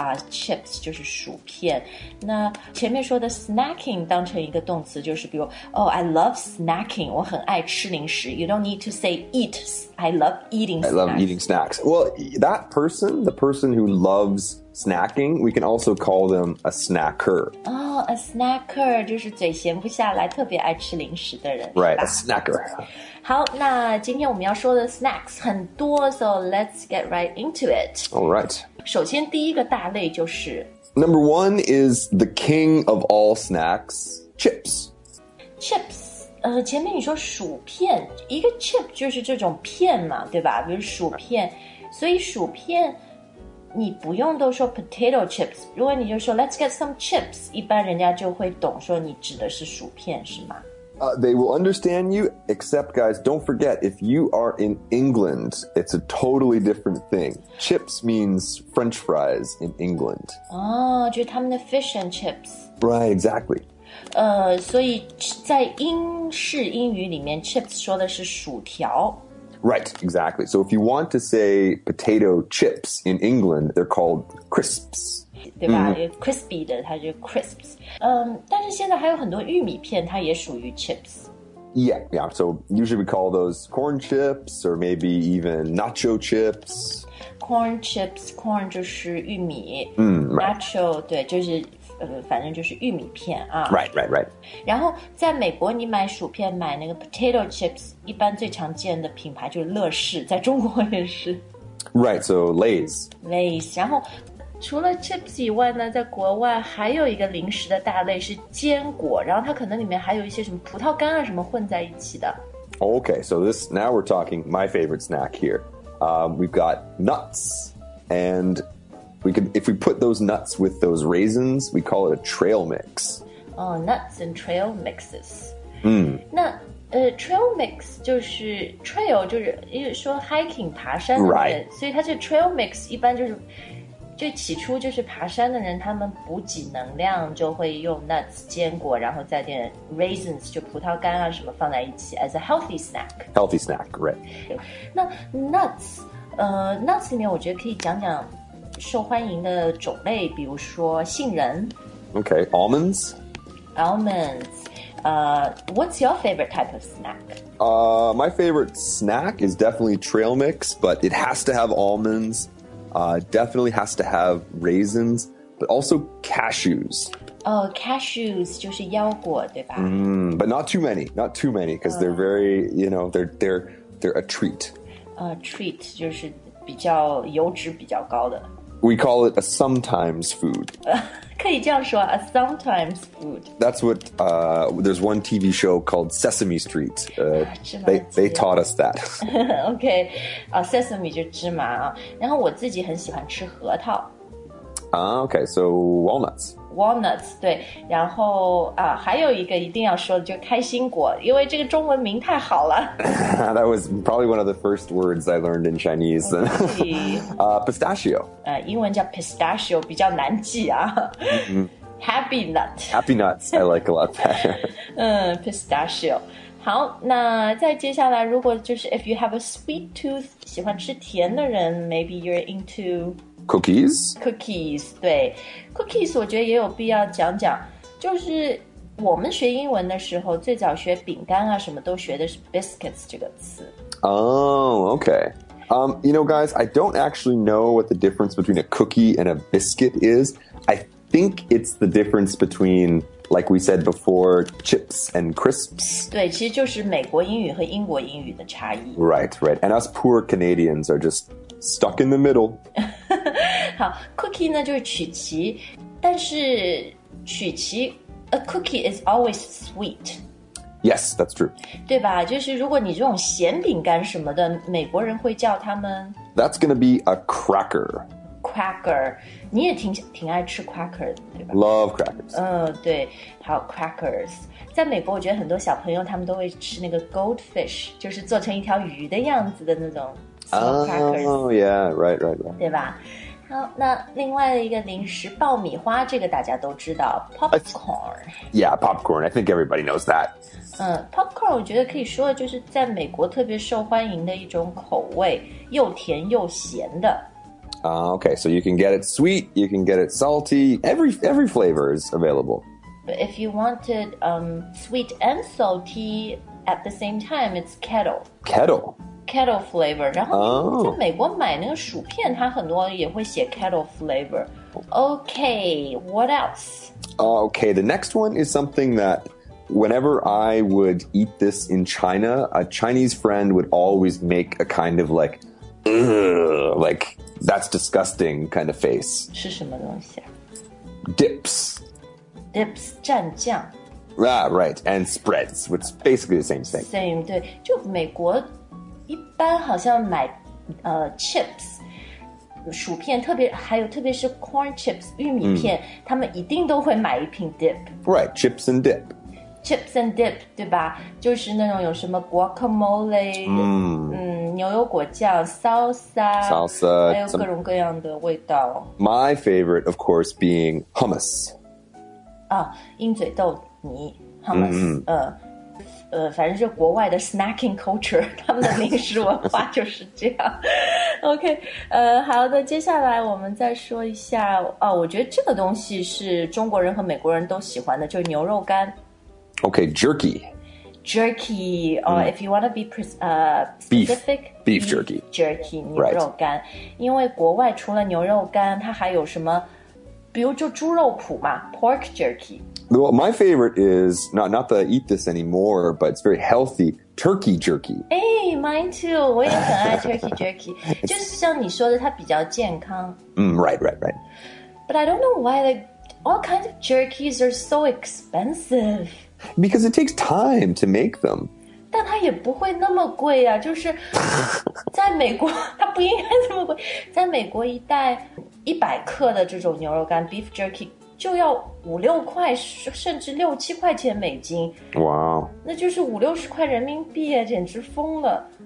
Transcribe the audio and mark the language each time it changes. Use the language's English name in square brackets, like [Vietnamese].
[Chinese] Chips 就是薯片。那前面说的 snacking 当成一个动词就是比如 [English] Oh, I love snacking. [Chinese] 我很爱吃零食。 [English] You don't need to say eat. I love eating snacks. Well, that person, the person who loves snacking, we can also call them a snacker. [Chinese] Oh, a snacker 就是嘴闲不下来特别爱吃零食的人。 [English] Right, a snacker. [Chinese] 好那今天我们要说的 snacks 很多 [English] so let's get right into it. All right. [Chinese] 首先第一个大类就是 [English] Number one is the king of all snacks, chips. Chips. [Chinese] 前面你说薯片一个 chip 就是这种片嘛对吧比如薯片所以薯片你不用都说 potato chips 如果你就说 [English] let's get some chips [Chinese] 一般人家就会懂说你指的是薯片是吗、 [English] they will understand you except guys don't forget if you are in England it's a totally different thing chips means french fries in England [Chinese] 哦就是他们的 fish and chips [English] right exactly [Chinese] 所以在英式英语里面 chips 说的是薯条 [English] Right, exactly. So if you want to say potato chips in England, they're called crisps. [Chinese] 对吧、mm-hmm. crispy 的它就 crisps. 但是现在还有很多玉米片它也属于 chips. [English] Yeah. So usually we call those corn chips or maybe even nacho chips. [Chinese] Corn chips, corn 就是玉米、 [English] right. [Chinese] nacho, 对就是反正就是玉米片啊 [English] Right [Chinese] 然后在美国你买薯片买那个 potato chips 一般最常见的品牌就是乐事在中国也是 [English] Right, so Lay's [Chinese] Lay's 然后除了 chips 以外呢在国外还有一个零食的大类是坚果然后它可能里面还有一些什么葡萄干啊什么混在一起的 [English] Okay, so this now we're talking my favorite snack here、we've got nuts andWe could, if we put those nuts with those raisins, we call it a trail mix. Oh, nuts and trail mixes. Hmm. [Chinese] 那trail mix 就是 trail 就是因为说 hiking 爬山的 [English] Right. [Chinese] 所以它这 trail mix 一般就是就起初就是爬山的人他们补给能量就会用 nuts 坚果然后再点 raisins 就葡萄干啊什么放在一起 [English] as a healthy snack. Healthy snack, right. [Chinese] 那 nuts, nuts 里面我觉得可以讲讲受欢迎的种类比如说杏仁 [English] Okay, almonds Almonds what's your favorite type of snack? My favorite snack is definitely trail mix But it has to have almonds Definitely has to have raisins But also cashews [Chinese] Oh, cashews 就是腰果对吧、 [English] But not too many Because they're very, you know, they're a treat [Chinese] Treat 就是比较油脂比较高的 [English] We call it a sometimes food. [Chinese] 可以这样说 a sometimes food. [English] That's what, there's one TV show called Sesame Street. They taught us that. [Chinese] Okay, Sesame 就芝麻啊。然后我自己很喜欢吃核桃。 [English] Okay, so walnuts. [Chinese] Walnuts, 对。然后还有一个一定要说的就是开心果，因为这个中文名太好了。 [English] That was probably one of the first words I learned in Chinese. pistachio. [Chinese] 英文叫 pistachio, 比较难记啊。 [English] Mm-hmm. Happy nut. Happy nuts, I like a lot better. pistachio. [Chinese] 好，那再接下来，如果就是 [English] if you have a sweet tooth, [Chinese] 喜欢吃甜的人 [English] maybe you're into cookies. [Chinese] Cookies, 对 cookies, 我觉得也有必要讲讲，就是我们学英文的时候，最早学饼干啊什么都学的是 biscuits 这个词。 [English] Oh, okay. You know, guys, I don't actually know what the difference between a cookie and a biscuit is. I think it's the difference between. Like we said before, chips and crisps. [Chinese] 对，其实就是美国英语和英国英语的差异。 [English] Right, right. And us poor Canadians are just stuck in the middle. [Chinese] 好 ,cookie 呢就是曲奇。 [English] 但是曲奇 ,a cookie is always sweet. Yes, that's true. [Chinese] 对吧就是如果你这种咸饼干什么的美国人会叫他们。 [English] That's gonna be a cracker. [Chinese] Cracker, 你也挺爱吃 cracker, 对吧 [English] Love crackers. [Chinese] 对，好 crackers. 在美国，我觉得很多小朋友他们都会吃那个 goldfish, 就是做成一条鱼的样子的那种 crackers. [English] Oh, yeah, right, right, right. [Chinese] 对吧？好，那另外一个零食爆米花，这个大家都知道 popcorn. [English] Yeah, popcorn. I think everybody knows that. [Chinese] Popcorn, 我觉得可以说的就是在美国特别受欢迎的一种口味，又甜又咸的。 [English] Okay, so you can get it sweet, you can get it salty, every flavor is available. But if you want it sweet and salty at the same time, it's kettle. Kettle? Kettle flavor. [Chinese] 然后在美国买那个薯片它很多也会写 kettle flavor. [English] Okay, what else? Okay, the next one is something that whenever I would eat this in China, a Chinese friend would always make a kind of like, like... That's disgusting kind of face. [Chinese] 是什么东西啊? [English] Dips. [Chinese] Dips, 蘸酱。 [English] Ah, right, and spreads, which is basically the same thing. [Chinese] Same, 对。就美国一般好像买chips, 薯片特别还有特别是 corn chips, 玉米片、他们一定都会买一瓶 dip. [English] Right, chips and dip. Chips and dip, 对吧？ [Chinese] 就是那种有什么 guacamole, 牛油果酱 salsa, 还有各种各样的味道。 [English] My favorite, of course, being hummus. [Chinese] 啊，鹰嘴豆泥 hummus. 反正就国外的 snacking culture, 他们的零食文化就是这样。 OK, 好的，接下来我们再说一下。哦，我觉得这个东西是中国人和美国人都喜欢的，就是牛肉干。 [English] Okay, jerky. Jerky, or if you want to be specific, beef jerky. [Chinese] Jerky, 牛肉干、right. 因为国外除了牛肉干它还有什么比如就猪肉脯嘛 pork jerky. [English] Well, my favorite is, not that I eat this anymore, but it's very healthy, turkey jerky. Hey, mine too. [Chinese] 我也很爱 turkey jerky. 就是像你说的它比较健康。 [English] Right, right, right. But I don't know why all kinds of jerkies are so expensive. Because it takes time to make them. [Chinese] 但它也不会那么贵啊，就是在美国，它不应该这么贵。在美国一袋100克的这种牛肉干 beef jerky 就要5-6块，甚至6-7块钱美金。 [English] Wow. [Chinese] 那就是50-60块人民币啊，简直疯了。